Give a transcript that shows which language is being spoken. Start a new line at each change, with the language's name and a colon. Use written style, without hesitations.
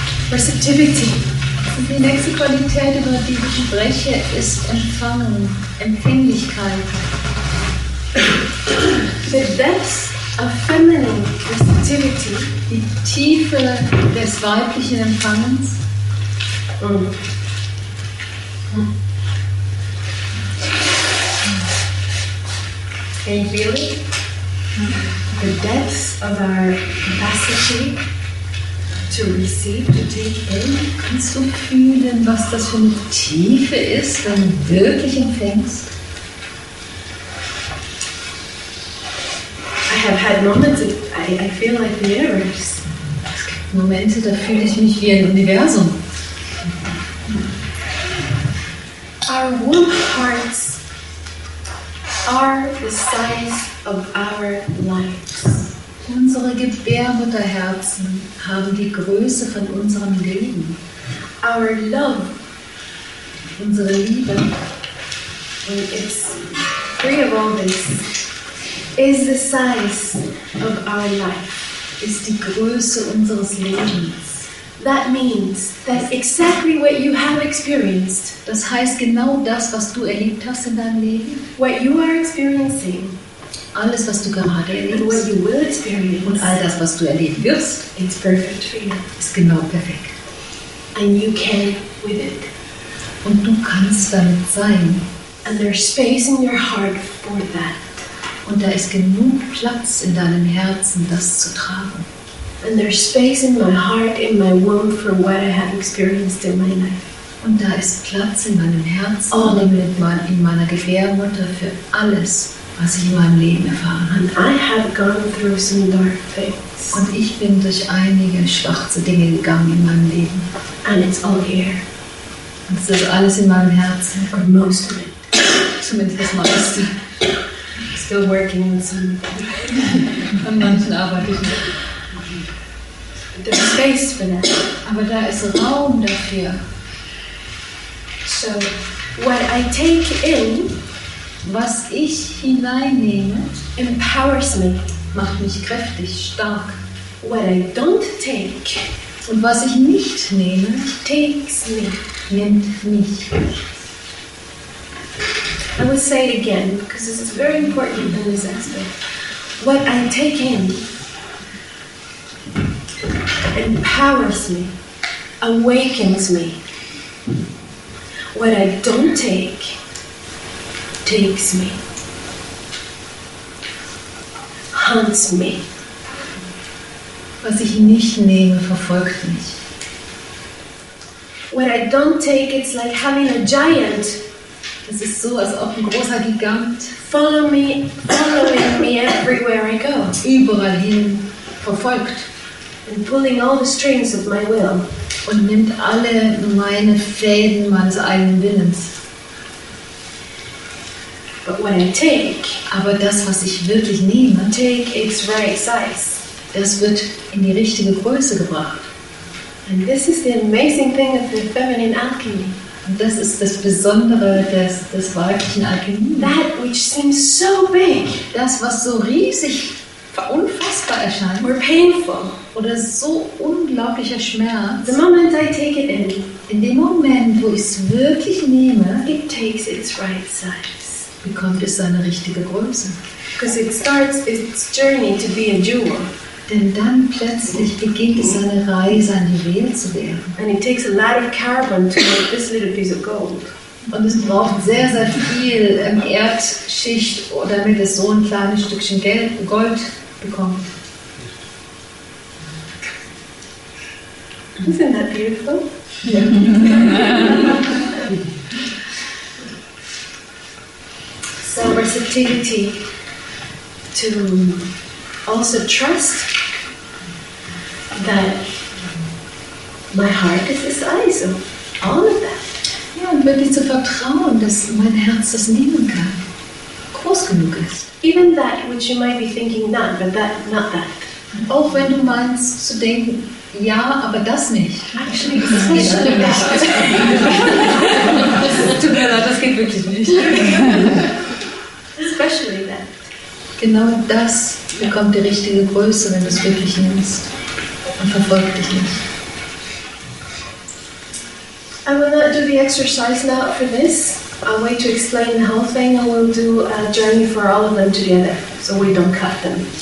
German: Receptivity. Und die nächste Qualität, über die ich spreche, ist Empfangen, Empfindlichkeit.
English: The depth of feminine receptivity.
German: Die Tiefe des weiblichen Empfangens. Mm.
English: Can you feel it? The depths of our capacity to receive, to take in.
German: Kannst du fühlen, was das für eine Tiefe ist, wenn du wirklich empfängst?
English: I have had moments that I feel like the universe.
German: Es gibt Momente, da fühle ich mich wie ein Universum.
English: Our womb hearts are the size of our lives.
German: Unsere Gebärmutterherzen haben die Größe von unserem Leben.
English: Our love,
German: unsere Liebe,
English: when it's free of all this, is the size of our life.
German: Ist die Größe unseres Lebens.
English: That means that exactly what you have experienced,
German: das heißt genau das, was du erlebt hast in deinem Leben,
English: what you are experiencing,
German: alles, was du gerade erlebst,
English: what you will experience,
German: und all das, was du erleben wirst,
English: it's perfect for you.
German: Ist genau perfekt.
English: And you can with it.
German: Und du kannst damit sein.
English: And there's space in your heart for that.
German: Und da ist genug Platz in deinem Herzen, das zu tragen.
English: And there's space in my heart, in my womb, for what I have experienced in my life.
German: Und da ist Platz in meinem Herzen,
English: all of it,
German: in meiner Gebärmutter, für alles, was ich in meinem Leben erfahren habe.
English: And I have gone through some dark things.
German: Und ich bin durch einige schwarze Dinge gegangen in meinem Leben.
English: And it's all here.
German: Und es ist alles in meinem Herzen.
English: Or most of it.
German: Zumindest das meiste.
English: Still working on some.
German: An manchen arbeite ich noch.
English: There's space for that.
German: Aber da ist Raum dafür.
English: So, what I take in,
German: was ich hineinnehme,
English: empowers me,
German: macht mich kräftig, stark.
English: What I don't take,
German: und was ich nicht nehme,
English: takes me,
German: nimmt mich.
English: I will say it again, because this is very important in this aspect. What I take in empowers me, awakens me. What I don't take, takes me, hunts me.
German: Was ich nicht nehme, verfolgt mich.
English: What I don't take, it's like having a giant.
German: Es ist so, als ob ein großer Gigant
English: following me everywhere I go.
German: Überall hin verfolgt.
English: And pulling all the strings of my will.
German: Und nimmt alle meine Fäden meines eigenen Willens.
English: But when I take,
German: aber das, was ich wirklich nehme,
English: take its right size.
German: Das wird in die richtige Größe gebracht.
English: And this is the amazing thing of the feminine alchemy.
German: Und das ist das Besondere des weiblichen Alchemie.
English: That which seems so big.
German: Das, was so riesig, unfassbar erscheint.
English: Or painful.
German: Oder so unglaublicher Schmerz.
English: The moment I take it in.
German: In dem Moment, wo ich es wirklich nehme,
English: it takes its right size.
German: Bekommt es seine richtige Größe.
English: Because it starts its journey to be a jewel.
German: Denn dann plötzlich beginnt es seine Reise, ein Juwel zu werden.
English: And it takes a lot of carbon to make this little piece of gold.
German: Und es braucht sehr, sehr viel Erdschicht, damit es so ein kleines Stückchen Gold bekommt.
English: Isn't that beautiful? So receptivity to also trust that my heart is the size of all of that.
German: Ja, und wirklich zu vertrauen, dass mein Herz das nehmen kann, groß genug ist.
English: Even that which you might be thinking not, but that not that.
German: Auch wenn du meinst zu denken, ja, aber das nicht. Actually, das ist nicht schlimm. Das geht wirklich nicht.
English: Especially that.
German: Genau das bekommt die richtige Größe, wenn du es wirklich nimmst und verfolgt dich nicht.
English: I will not do the exercise now for this. I'll wait to explain the whole thing. I will do a journey for all of them together, so we don't cut them.